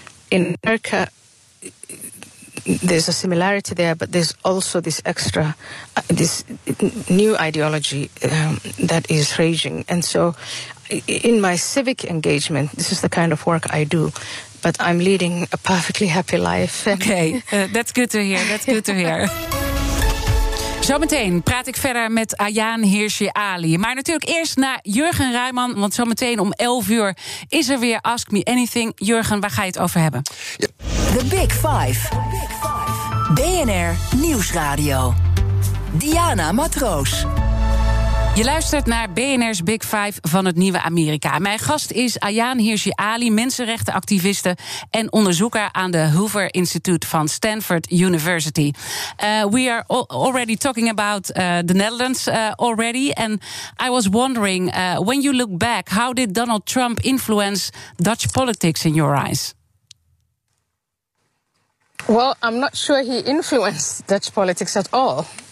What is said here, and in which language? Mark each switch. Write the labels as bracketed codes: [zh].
[en] In America, there's a similarity there, but there's also this extra, this new ideology that is raging. And so in my civic engagement, this is the kind of work I do. But I'm leading a perfectly happy life. Okay, that's good to hear, that's good to hear. [nl] Zometeen praat ik verder met Ayaan Hirsi Ali. Maar natuurlijk eerst naar Jurgen Rijman. Want zometeen om 11 uur is er weer Ask Me Anything. Jurgen, waar ga je het over hebben? Ja. The Big Five. BNR Nieuwsradio. Diana Matroos. Je luistert naar BNR's Big Five van het Nieuwe Amerika. Mijn gast is Ayaan Hirsi Ali, mensenrechtenactiviste en onderzoeker aan de Hoover Institute van Stanford University. [en] We are already talking about the Netherlands already. And I was wondering, when you look back, how did Donald Trump influence Dutch politics in your eyes? Well, I'm not sure he influenced Dutch politics at all.